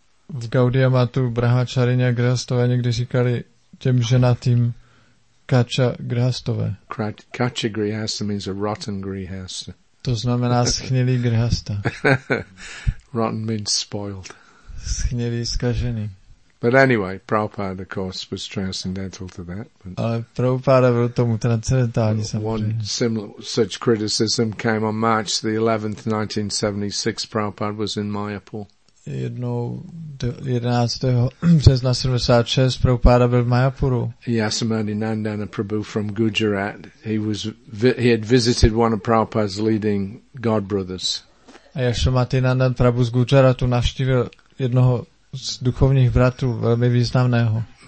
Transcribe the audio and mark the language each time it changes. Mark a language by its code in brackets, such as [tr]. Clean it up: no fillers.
[cs] V Gaudiya Mathu brahmacharini a grihastové někdy říkali těm ženatým kachagrihastové. [en] Kachagrihasa means a rotten grihasta. [cs] To znamená schnilý grihasta. [en] Rotten means spoiled. [cs] Schnilý, zkažený. [en] But anyway, Prabhupada, of course, was transcendental to that. [cs] Ale Prabhupada byl tomu transcendentální, samozřejmě. [en] One similar such criticism came on March the 11th, 1976. Prabhupada was in Mayapur. [cs] Jednou 11. března 76 Prabhupada byl v Mayapuru. [en] Yasomani Nandana Prabhu from Gujarat. He had visited one of Prabhupada's leading god brothers. [cs] A Yasomati Nandana Prabhu z Gujaratu navštívil jednoho z duchovních bratrů, velmi významného.